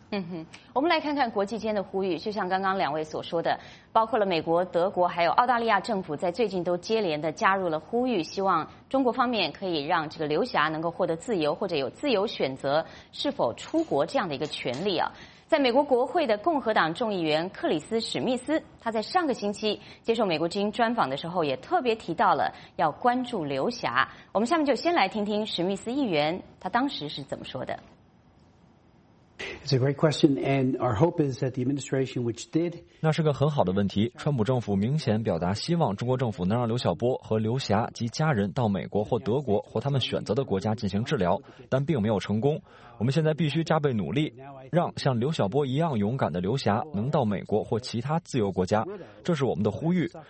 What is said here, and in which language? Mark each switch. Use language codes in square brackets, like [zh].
[zh] 嗯哼，我们来看看国际间的呼吁，就像刚刚两位所说的，包括了美国、德国还有澳大利亚政府在最近都接连的加入了呼吁，希望中国方面可以让这个刘霞能够获得自由或者有自由选择是否出国这样的一个权利在美国国会的共和党众议员克里斯·史密斯，他在上个星期接受美国之音专访的时候，也特别提到了要关注刘霞。我们下面就先来听听史密斯议员他当时是怎么说的。 [en] It's a great question, and our hope is that the administration, which did, [zh] 那是个很好的问题。川普政府明显表达希望中国政府能让刘晓波和刘霞及家人到美国或德国或他们选择的国家进行治疗，但并没有成功。我们现在必须加倍努力，让像刘晓波一样勇敢的刘霞能到美国或其他自由国家，这是我们的呼吁。